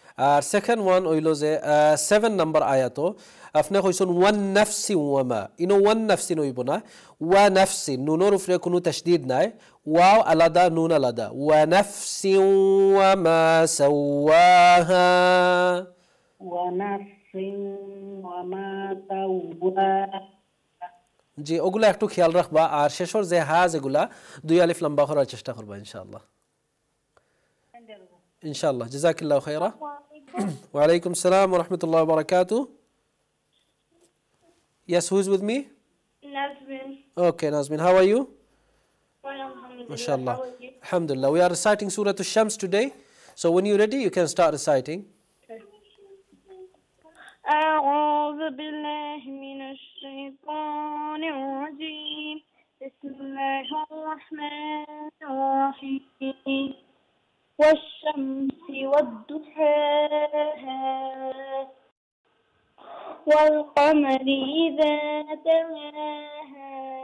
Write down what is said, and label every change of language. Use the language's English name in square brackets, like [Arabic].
[Bangla] আর second one হইল যে seven number আয়াত আপনি কইছেন ওয়ান নাফসি ওয়ামা ইনো ওয়ান নাফসি নইব না ওয়া নাফসি নুনর উফরে কোনো তাশদীদ নাই ওয়াও আলাদা নুন আলাদা ওয়া নাফসি ওয়ামা সাওয়াহা ওয়া নাফসি ওয়ামা সাওয়াহা জি ওগুলো একটু খেয়াল রাখবা আর শেষর যে হা যেগুলা দুই আলিফ লম্বা করার চেষ্টা করবা ইনশাআল্লাহ ইনশাআল্লাহ জাযাকাল্লাহু খাইরা [Arabic] وعليكم السلام ورحمة الله وبركاته. [English] Yes, who's with me? Nazmin. Okay, Nazmin, how are you? Fine, alhamdulillah. Alhamdulillah. We are reciting Surah Al-Shams today. So when you're ready, you can start reciting. [Arabic] أعوذ بالله من الشيطان الرجيم بسم الله الرحمن الرحيم والشمس والضحى والقمر إذا تلاها